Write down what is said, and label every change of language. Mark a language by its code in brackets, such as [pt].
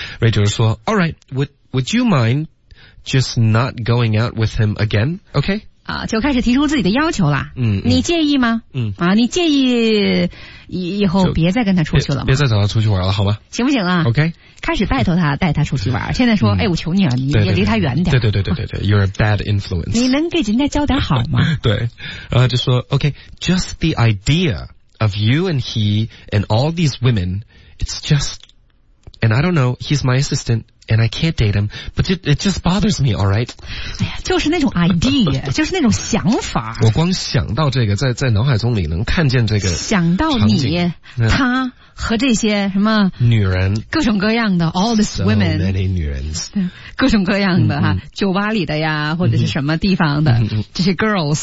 [en] Rachel 说 ，All right， would you mind just not going out with him again？ OK？ [zh] 啊，就开始提出自己的要求了。嗯，你介意吗？嗯，啊，你介意以后别再跟他出去了吗？别再找他出去玩了，好吗？行不行啊 [en] ？OK， [zh] 开始拜托他带他出去玩，现在说，哎，我求你了，你也离他远点。对对对对对对 [en] ，You're a bad influence。 [zh] 你能给人家教点好吗？对，然后就说 [en] ，OK，just the idea of you and he and all these women，it's just，and I don't know，he's my assistant。 And I can't date him, but it just bothers me, alright? [zh] 哎呀，就是那种 idea, 就是那种想法。我光想到这个，在脑海中里能看见这个场景。想到你、他和这些什么女人，各种各样的 [en] all these women, so many 女人， [zh] 各种各样的哈、嗯，酒吧里的呀，或者是什么地方的、这些 girls。